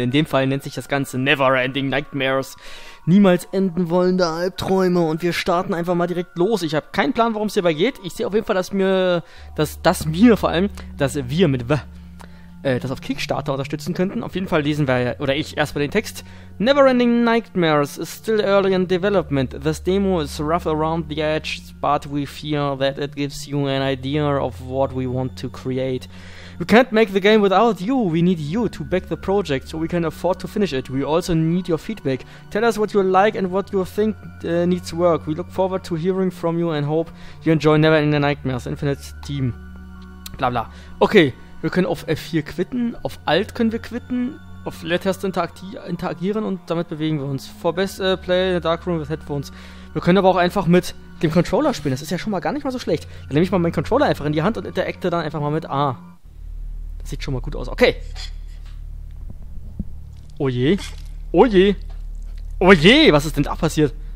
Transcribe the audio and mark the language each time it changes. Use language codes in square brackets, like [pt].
[de] In dem Fall nennt sich das Ganze Neverending Nightmares. Niemals enden wollende Albträume. Und wir starten einfach mal direkt los. Ich habe keinen Plan, worum es hierbei geht. Ich sehe auf jeden Fall, dass wir das auf Kickstarter unterstützen könnten. Auf jeden Fall lesen wir, oder ich, erstmal den Text. [en] Neverending Nightmares is still early in development. This demo is rough around the edges, but we fear that it gives you an idea of what we want to create. We can't make the game without you. We need you to back the project so we can afford to finish it. We also need your feedback. Tell us what you like and what you think needs work. We look forward to hearing from you and hope you enjoy Neverending Nightmares, Infinite Team. Bla bla. Okay. [de] Wir können auf F4 quitten, auf Alt können wir quitten, auf Leertaste interagieren und damit bewegen wir uns. [en] For best play in the dark room with headphones. [de] Wir können aber auch einfach mit dem Controller spielen, das ist ja schon mal gar nicht mal so schlecht. Dann nehme ich mal meinen Controller einfach in die Hand und interagiere dann einfach mal mit A. Das sieht schon mal gut aus. Okay. Oh je. Oh je. Oh je, was ist denn da passiert?